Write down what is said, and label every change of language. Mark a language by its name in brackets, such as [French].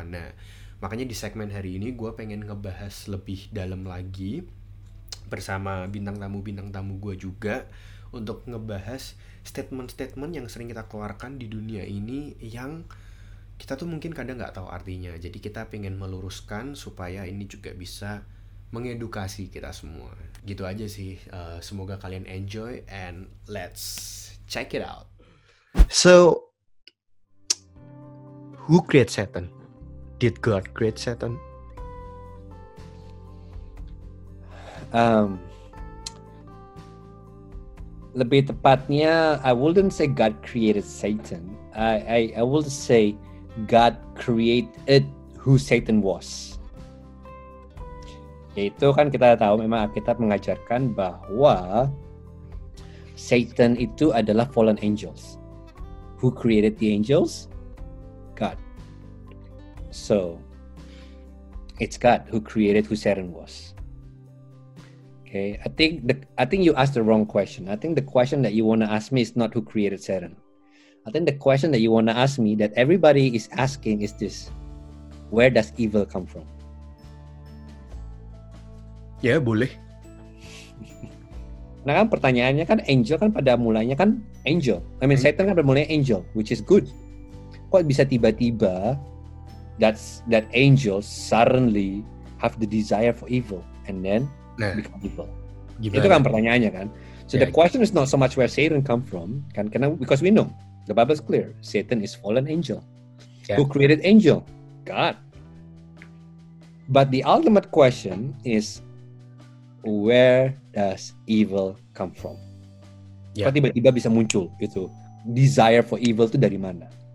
[Indonesian] Nah makanya di segmen hari ini gue pengen ngebahas lebih dalam lagi bersama bintang tamu gue juga, untuk ngebahas statement-statement yang sering kita keluarkan di dunia ini yang kita tuh mungkin kadang nggak tahu artinya. Jadi kita pengen meluruskan supaya ini juga bisa mengedukasi kita semua. Gitu aja sih, semoga kalian enjoy and [English] let's check it out. So, who created Satan? Did God create Satan? [Indonesian] Lebih tepatnya, [English] I wouldn't say God created Satan. I would say God created who Satan was. [Indonesian] Yaitu kan kita tahu memang Alkitab mengajarkan bahwa Satan itu adalah [English] fallen angels. Who created the angels? God. So, it's God who created who Satan was. Okay, I think you asked the wrong question. I think the question that you want to ask me is not who created Satan. I think the question that you want to ask me, that everybody is asking, is this: where does evil come from? [Indonesian] Yeah, boleh. Nah kan pertanyaannya kan angel kan pada mulanya kan angel. [English] I mean Satan [Indonesian] kan pada mulanya [English] angel, which is good. [Indonesian] Kok bisa tiba-tiba [English] that angel suddenly have the desire for evil and then become evil? [Indonesian] Gimana? Itu kan pertanyaannya kan. [English] So the question is not so much where Satan come from, kan? Because we know, the Bible is clear. Satan is fallen angel. Yeah. Who created angel? God. But the ultimate question is, where does evil come from? [Indonesian] Yeah. Kok tiba-tiba bisa muncul itu [English] desire for evil [Indonesian] itu dari mana?